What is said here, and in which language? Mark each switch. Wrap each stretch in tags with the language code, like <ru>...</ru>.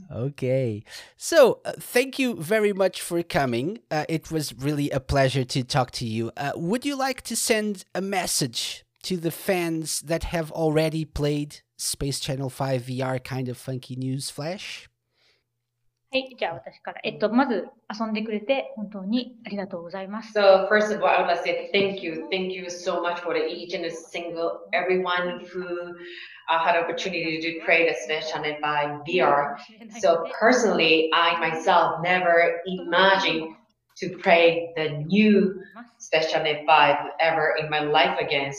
<en>Okay. So, thank you very much for coming. It was really a pleasure to talk to you. Would you like to send a message to the fans that have already played Space Channel 5 VR Kind of Funky News Flash?</en> <ja>はい、じゃあ私から。まず遊んでくれて本当にありがとうございます。</ja> <en>So first of all, I would like to say thank you. Thank you so much for the each and a single everyone who had opportunity to play the Space Channel 5 VR. So personally, I myself never imagined to play the new Space Channel 5 ever in my life again.</en>